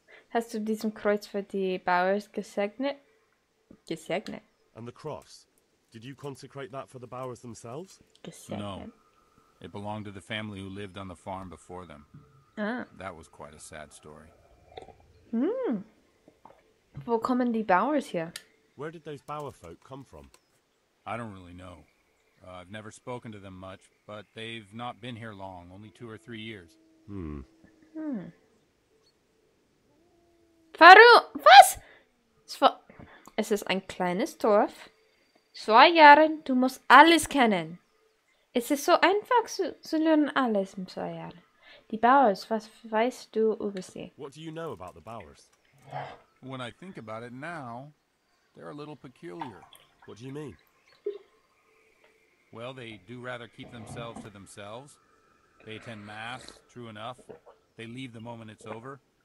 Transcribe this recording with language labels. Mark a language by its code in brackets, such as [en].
[de] Hast du diesem Kreuz für die Bauers gesegnet? Gesegnet. [en] And the cross. Did you consecrate that for the Bauers themselves? [de] Gesegnet. [en] No. It belonged to the family who lived on the farm before them. Ah. That was quite a sad story. [de] Hmm. Wo kommen die Bauers her? [en] Where did those Bauer folk come from? I don't really know. I've never spoken to them much, but they've not been here long, only 2 or 3 years. Hmm. Hmm. [de] Warum? Was? Es ist ein kleines Dorf. 2 Jahre, du musst alles kennen. Es ist so einfach zu lernen alles in 2 Jahren. Die Bauers, was weißt du über sie? [en] What do you know about the Bauers? When I think about it now, they're a little peculiar. What do you mean? Well, they do rather keep themselves to themselves. They attend mass, true enough. They leave the moment it's over.